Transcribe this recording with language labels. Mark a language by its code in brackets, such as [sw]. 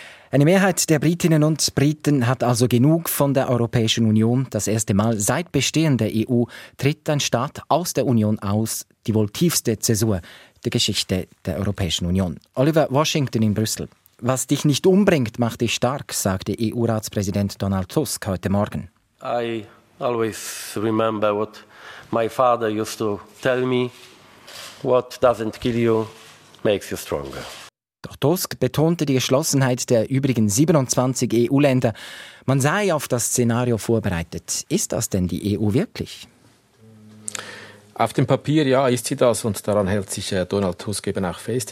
[de] Eine Mehrheit der Britinnen und Briten hat also genug von der Europäischen Union. Das erste Mal seit Bestehen der EU tritt ein Staat aus der Union aus, die wohl tiefste Zäsur der Geschichte der Europäischen Union. Oliver Washington in Brüssel. Was dich nicht umbringt, macht dich stark, sagte EU-Ratspräsident Donald Tusk heute Morgen. [en] I always remember what my father used to tell me. What doesn't kill you makes you stronger. [de] Doch Tusk betonte die Geschlossenheit der übrigen 27 EU-Länder. Man sei auf das Szenario vorbereitet. Ist das denn die EU wirklich? Auf dem Papier, ja, ist sie das und daran hält sich Donald Tusk eben auch fest.